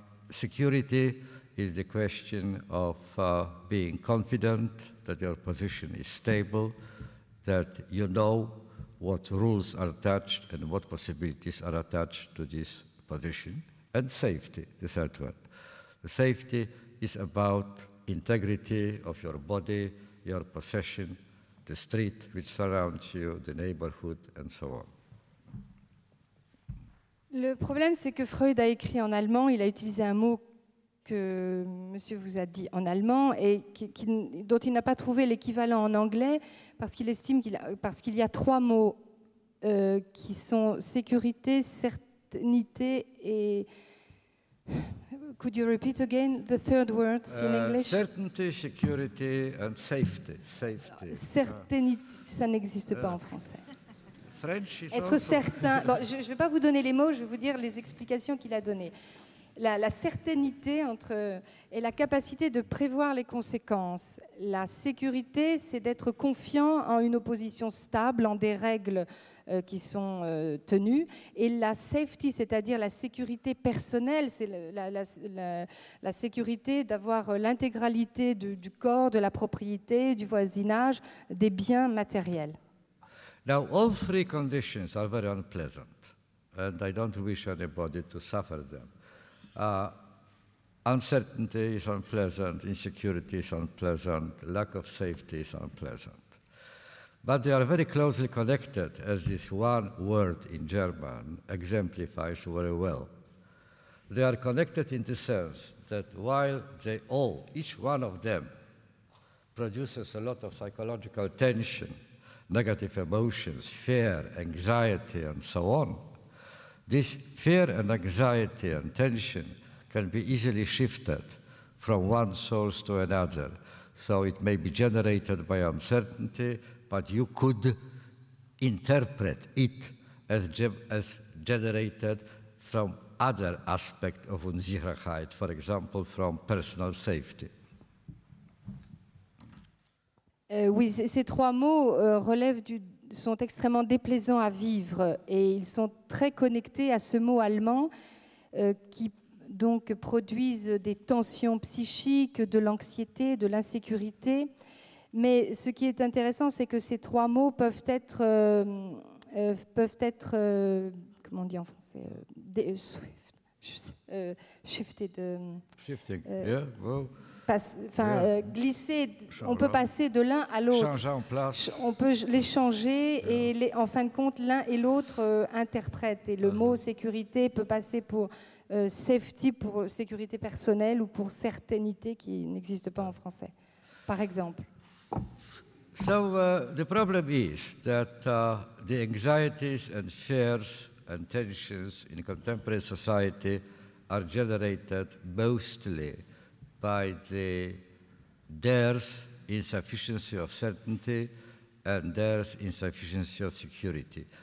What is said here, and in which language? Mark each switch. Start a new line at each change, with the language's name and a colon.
English: Security is the question of being confident that your position is stable, that you know what rules are attached and what possibilities are attached to this position, and safety, the third one. The safety is about integrity of your body, your possession, the street which surrounds you, the neighborhood, and so on.
French: Le problème, c'est que Freud a écrit en allemand, il a utilisé un mot que monsieur vous a dit en allemand et dont il n'a pas trouvé l'équivalent en anglais parce qu'il estime qu'il y a trois mots qui sont sécurité, certainité et...
English: Could you repeat again the third words in English? Certainty, security and safety. Safety.
French: Certainité, ça n'existe pas en français.
English: French is
French: être
English: also...
French: certain... Bon, je ne vais pas vous donner les mots, je vais vous dire les explications qu'il a données. La certainité entre, est la capacité de prévoir les conséquences. La sécurité, c'est d'être confiant en une opposition stable, en des règles qui sont tenues. Et la safety, c'est-à-dire la sécurité personnelle, c'est la sécurité d'avoir l'intégralité du corps, de la propriété, du voisinage, des biens matériels.
English: Now, all three conditions are very unpleasant, and I don't wish anybody to suffer them. Uncertainty is unpleasant, insecurity is unpleasant, lack of safety is unpleasant. But they are very closely connected, as this one word in German exemplifies very well. They are connected in the sense that while they all, each one of them, produces a lot of psychological tension, negative emotions, fear, anxiety, and so on, this fear and anxiety and tension can be easily shifted from one source to another. So it may be generated by uncertainty, but you could interpret it as generated from other aspect of Unsicherheit, for example, from personal safety.
French: Oui, ces trois mots sont extrêmement déplaisants à vivre et ils sont très connectés à ce mot allemand qui donc produisent des tensions psychiques, de l'anxiété, de l'insécurité. Mais ce qui est intéressant, c'est que ces trois mots glisser, on peut passer de l'un à l'autre. Changer en place. On peut les changer et en fin de compte, l'un et l'autre interprètent. Et le mot sécurité peut passer pour safety, pour sécurité personnelle ou pour certainité qui n'existe pas en français, par exemple.
English: So the problem is that the anxieties and fears and tensions in contemporary society are generated mostly by the there's insufficiency of certainty and there's insufficiency of security.